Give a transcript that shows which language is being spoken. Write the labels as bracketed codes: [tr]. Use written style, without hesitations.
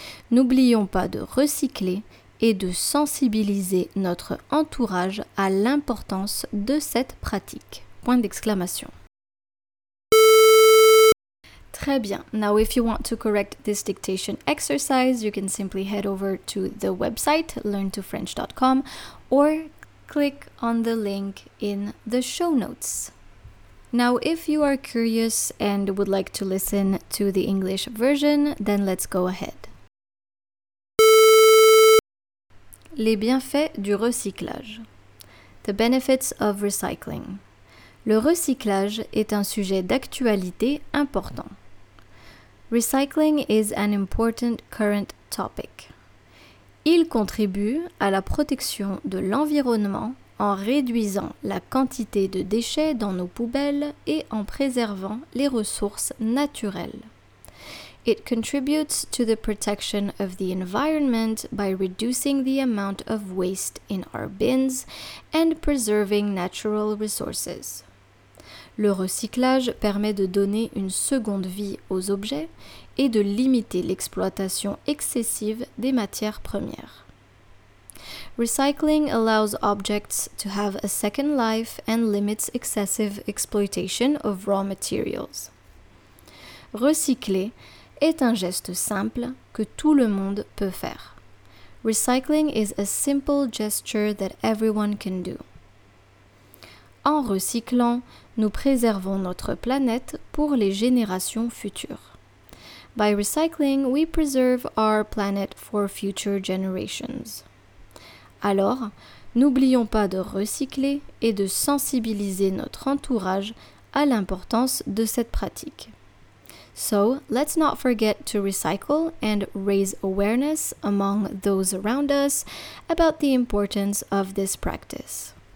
[fr] N'oublions pas de recycler et de sensibiliser notre entourage à l'importance de cette pratique. Point d'exclamation. Très bien. [en] Now, if you want to correct this dictation exercise, you can simply head over to the website learntofrench.com or click on the link in the show notes. Now, if you are curious and would like to listen to the English version, then let's go ahead. [fr] Les bienfaits du recyclage. [en] The benefits of recycling. [fr] Le recyclage est un sujet d'actualité important. [en] Recycling is an important current topic. [fr] Il contribue à la protection de l'environnement en réduisant la quantité de déchets dans nos poubelles et en préservant les ressources naturelles. [en] It contributes to the protection of the environment by reducing the amount of waste in our bins and preserving natural resources. [fr] Le recyclage permet de donner une seconde vie aux objets et de limiter l'exploitation excessive des matières premières. [en] Recycling allows objects to have a second life and limits excessive exploitation of raw materials. [fr] Recycler est un geste simple que tout le monde peut faire. [en] Recycling is a simple gesture that everyone can do. [fr] En recyclant, nous préservons notre planète pour les générations futures. [en] By recycling, we preserve our planet for future generations. [fr] Alors, n'oublions pas de recycler et de sensibiliser notre entourage à l'importance de cette pratique. [en] So, let's not forget to recycle and raise awareness among those around us about the importance of this practice.